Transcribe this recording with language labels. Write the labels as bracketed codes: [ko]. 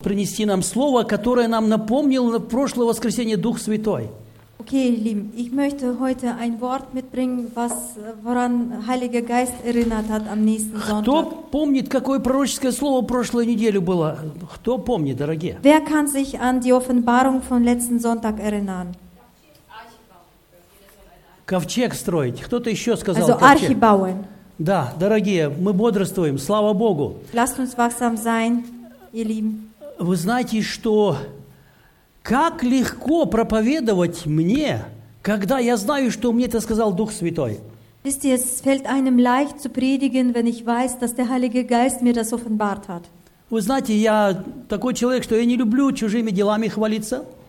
[ru] Принести нам слово, которое нам напомнил в прошлое воскресенье Дух Святой. [de] Okay, lieben, ich möchte heute ein Wort mitbringen, woran Heiliger Geist erinnert hat am nächsten Sonntag. [ru] Кто помнит, какое пророческое слово прошлой неделю было? Кто помнит, дорогие? [de] Wer kann sich an die Offenbarung von letzten Sonntag erinnern? [ru] Ковчег строить. Кто-то еще сказал [de] ковчег. Also Archibauen. [ru] Да, дорогие, мы бодрствуем, слава Богу. [de] Lasst uns wachsam sein, ihr Lieben. [ru] Вы знаете, что как легко проповедовать мне, когда я знаю, что мне это сказал Дух Святой. [de] Wisst ihr, es fällt einem leicht zu predigen, wenn ich weiß, dass der Heilige Geist mir das offenbart hat. [ru] Вы знаете, я такой человек, что я не люблю чужими делами хвалиться.